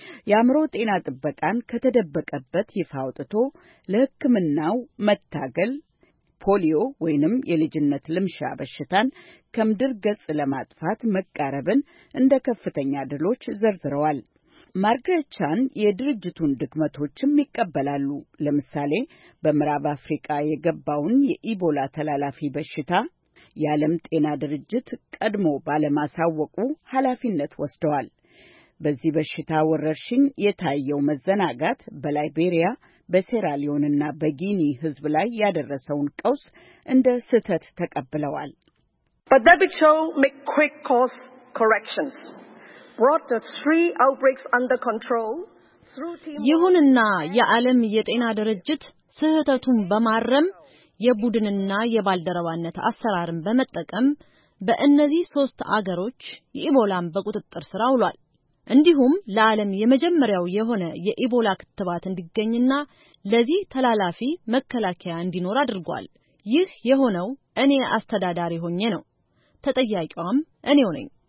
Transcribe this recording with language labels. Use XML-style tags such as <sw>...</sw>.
<am>የአምሮ ጤና ጥበቃን ከተደበቀበት ይፋውጥቶ ለህክምናው መታገል፣ ፖሊዮ ወይንም የልጅነት ልምሻ በሽታን ከምድር ገጽ ለማጥፋት መቃረብን እንደ ከፍተኛ ድሎች ዘርዝረዋል። ማርጋሬት ቻን የድርጅቱን ድክመቶችም ይቀበላሉ። ለምሳሌ በምዕራብ አፍሪካ የገባውን የኢቦላ ተላላፊ በሽታ የዓለም ጤና ድርጅት ቀድሞ ባለማሳወቁ ኃላፊነት ወስደዋል። በዚህ በሽታ ወረርሽኝ የታየው መዘናጋት በላይቤሪያ፣ በሴራሊዮንና በጊኒ ህዝብ ላይ ያደረሰውን ቀውስ እንደ ስህተት ተቀብለዋል።</am> <en>But they chose make quick course corrections. Brought the 3 outbreaks under control through team.</en> <am>ይሁንና የዓለም የጤና ድርጅት ስህተቱን በማረም የቡድንና የባልደረባነት አሰራርን በመጠቀም በእነዚህ 3 አገሮች የኢቦላን በቁጥጥር ስር አውሏል። እንዲሁም ለዓለም የመጀመሪያው የሆነ የኢቦላ ክትባት እንዲገኝና ለዚህ ተላላፊ መከላከያ እንዲኖር አድርጓል። ይህ የሆነው እኔ አስተዳዳሪ ሆኜ ነው። ተጠያቂዋም እኔ ሆኜ ነኝ።</am>